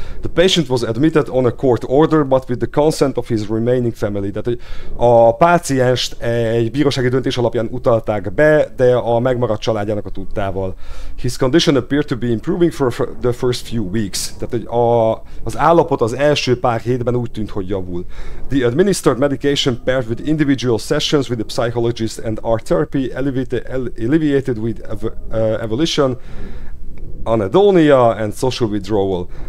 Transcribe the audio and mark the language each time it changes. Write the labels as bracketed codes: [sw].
[en] The patient was admitted on a court order, but with the consent of his remaining family. [hu] Tehát a pácienst egy bírósági döntés alapján utalták be, de a megmaradt családjának a tudtával. [en] His condition appeared to be improving for the first few weeks. [hu] Tehát az állapot az első pár hétben úgy tűnt, hogy javul. [en] The administered medication paired with individual sessions with a psychologist and art therapy alleviated with evolution. Anhedonia and social withdrawal.